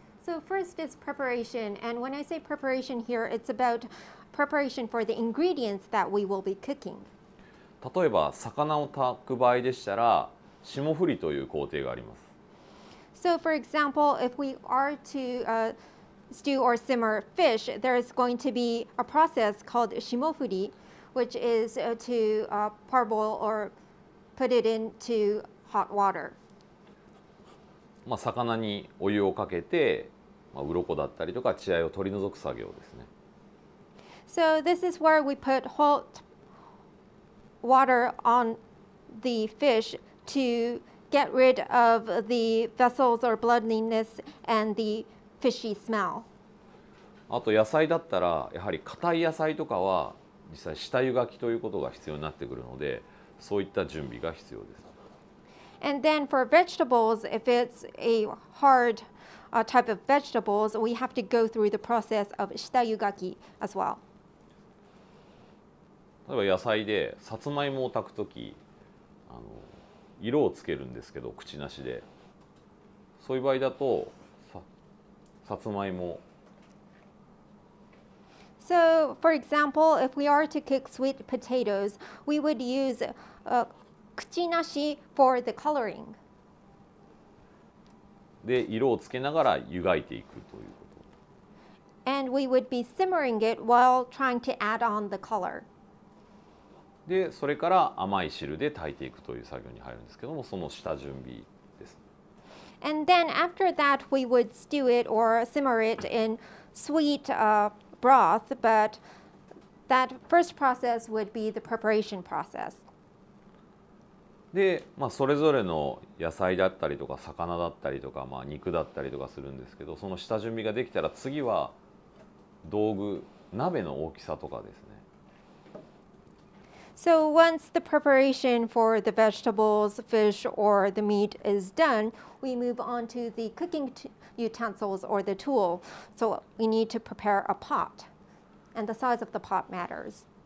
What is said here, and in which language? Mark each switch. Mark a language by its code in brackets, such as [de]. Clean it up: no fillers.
[en] So first is preparation, and when I say preparation here, it's about preparation for the ingredients that we will be cooking. [ja] 例えば魚を炊く場合でしたら霜降りという工程があります。 [en] So for example, if we are to stew or simmer fish, there is going to be a process called 霜降り which is to parboil or put it into hot water. [ja] まあ魚にお湯をかけて、まあ、鱗だったりとか血合いを取り除く作業ですね。 [en] So this is where we put hotwater on the fish to get rid of the vessels or bloodiness and the fishy smell. [ja] あと野菜だったらやはり硬い野菜とかは実際下湯がきということが必要になってくるので、そういった準備が必要です。 [en] And then for vegetables, if it's a hard type of vegetables, we have to go through the process of 下湯がき as well. [ja] 例えば野菜でさつまいもを炊くとき、色をつけるんですけど、口なしで。そういう場合だと、さつまいも。 [en] So, for example, if we are to cook sweet potatoes, we would use 口なし for the coloring. [ja] で、色をつけながら湯がいていくということ。 [en] And we would be simmering it while trying to add on the color. [ja] で、それから甘い汁で炊いていくという作業に入るんですけども、その下準備です。 [en] And then after that, we would stew it or simmer it in sweet broth, but that first process would be the preparation process. [ja] で、まあ、それぞれの野菜だったりとか魚だったりとか、まあ、肉だったりとかするんですけど、その下準備ができたら次は道具、鍋の大きさとかですね。 [en] So once the preparation for the vegetables, fish, or the meat is done, we move on to the cooking utensils or the tool. So we need to prepare a pot, and the size of the pot matters.